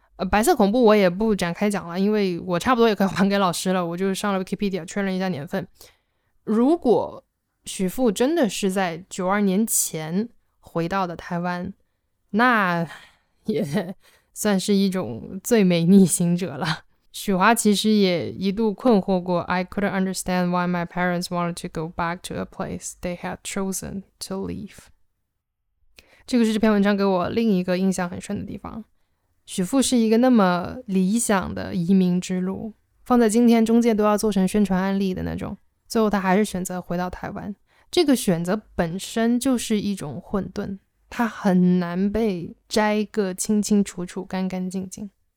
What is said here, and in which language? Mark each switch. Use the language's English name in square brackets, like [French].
[Chinese] 白色恐怖我也不展开讲了，因为我差不多也可以还给老师了，我就上了 Wikipedia 确认一下年份。如果许父真的是在92年前回到的台湾，那也算是一种最美逆行者了。许华其实也一度困惑过 [English] I couldn't understand why my parents wanted to go back to a place they had chosen to leave. [Chinese] 这个是这篇文章给我另一个印象很深的地方。许父是一个那么理想的移民之路，放在今天中介都要做成宣传案例的那种，最后他还是选择回到台湾。这个选择本身就是一种混沌，它很难被摘个清清楚楚干干净净。